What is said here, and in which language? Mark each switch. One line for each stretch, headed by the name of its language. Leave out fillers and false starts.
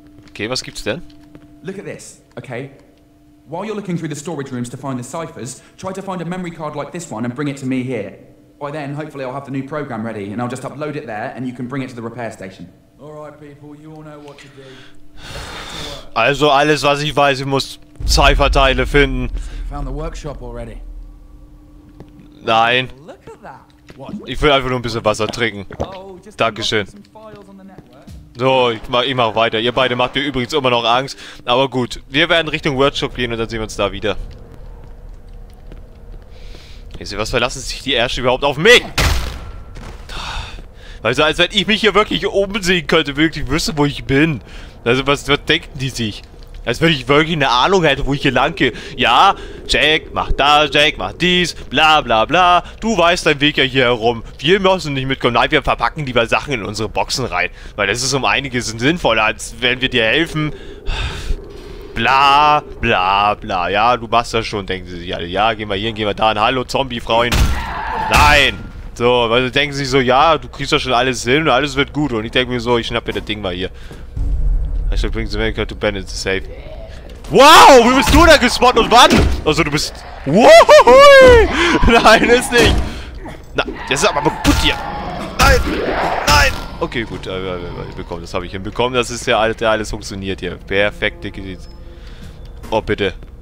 German: Okay, was gibt's denn?
English: Look at this. Okay. While you're looking through the storage rooms to find the ciphers, try to find a memory card like this one and bring it to me here. By then, hopefully, I'll have the new program ready, and I'll just upload it there, and you can bring it to the repair station. All right, people, you all know what to do.
German: Also, alles was ich weiß, ich muss Cipherteile finden.
English: So you found the workshop already.
German: Nein.
English: Look at that. What?
German: Ich will einfach nur ein bisschen Wasser trinken. Oh, Dankeschön. So, ich mach weiter. Ihr beide macht mir übrigens immer noch Angst. Aber gut, wir werden Richtung Workshop gehen und dann sehen wir uns da wieder. Wisst ihr, was verlassen sich die Ärsche überhaupt auf mich? Also, als wenn ich mich hier wirklich oben sehen könnte, wirklich wüsste, wo ich bin. Also, was denken die sich? Als wenn ich wirklich eine Ahnung hätte, wo ich hier lang gehe. Ja, Jack, mach da, Jack, mach dies, bla bla bla. Du weißt deinen Weg ja hier herum. Wir müssen nicht mitkommen. Nein, wir verpacken lieber Sachen in unsere Boxen rein. Weil das ist um einiges sinnvoller, als wenn wir dir helfen. Bla bla bla. Ja, du machst das schon, denken sie sich alle. Ja, gehen wir hier, gehen wir da. Hallo, Zombie-Freund. Nein. So, weil sie denken sich so, ja, du kriegst doch schon alles hin und alles wird gut. Und ich denke mir so, ich schnapp mir das Ding mal hier.
English: I should bring the medical to Ben, it's safe.
German: Wow, wie bist du da gespawnt und wann? Also du bist... Wohohoi! Nein, ist nicht! Na, das ist aber kaputt hier! Nein! Nein! Okay, gut, das habe ich hinbekommen. Das ist ja alles funktioniert hier. Perfekt, Dicke. Oh, bitte.